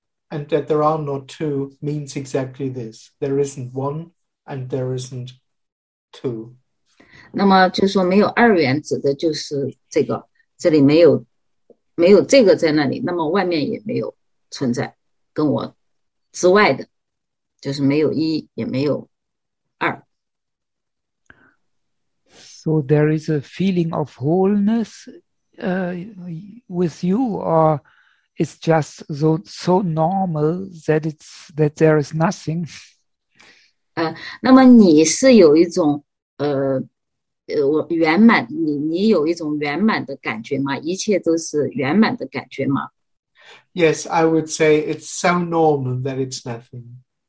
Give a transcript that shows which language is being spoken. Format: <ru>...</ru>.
<en>And that there are not two means exactly this. There isn't one, and there isn't two.</en> <zh>那么就说没有二元指的就是这个，这里没有这个在那里，那么外面也没有存在，跟我之外的。就是没有一，也没有二。</zh> <en>So there is a feeling of wholeness with you, or it's just so normal that it's that there is nothing.</en> <zh>那么你是有一种圆满的感觉吗？一切都是圆满的感觉吗？</zh> <en>Yes, I would say it's so normal that it's nothing.</en>